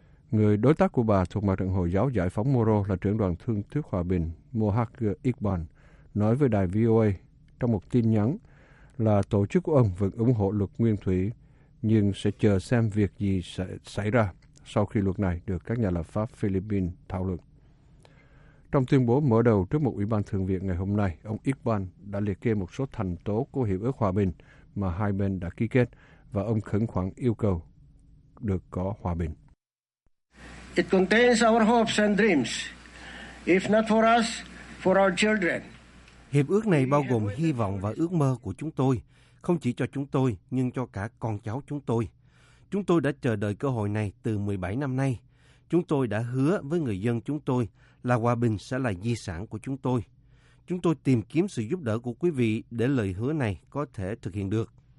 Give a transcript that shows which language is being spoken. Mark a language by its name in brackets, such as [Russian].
[Vietnamese] Người đối tác của bà thuộc mặt trận Hồi giáo Giải phóng Moro là trưởng đoàn thương thuyết hòa bình Mohakir Iqbal nói với đài VOA trong một tin nhắn là tổ chức của ông vẫn ủng hộ luật nguyên thủy nhưng sẽ chờ xem việc gì sẽ xảy ra sau khi luật này được các nhà lập pháp Philippines thảo luận. Trong tuyên bố mở đầu trước một ủy ban thường viện ngày hôm nay, ông Iqbal đã liệt kê một số thành tố của hiệp ước hòa bình mà hai bên đã ký kết và ông khẩn khoản yêu cầu được có hòa bình. [English] It contains our hopes and dreams, if not for us, for our children. [Vietnamese] Hiệp ước này bao gồm hy vọng và ước mơ của chúng tôi. Không chỉ cho chúng tôi, nhưng cho cả con cháu chúng tôi. Chúng tôi đã chờ đợi cơ hội này từ 17 năm nay. Chúng tôi đã hứa với người dân chúng tôi là hòa bình sẽ là di sản của chúng tôi. Chúng tôi tìm kiếm sự giúp đỡ của quý vị để lời hứa này có thể thực hiện được.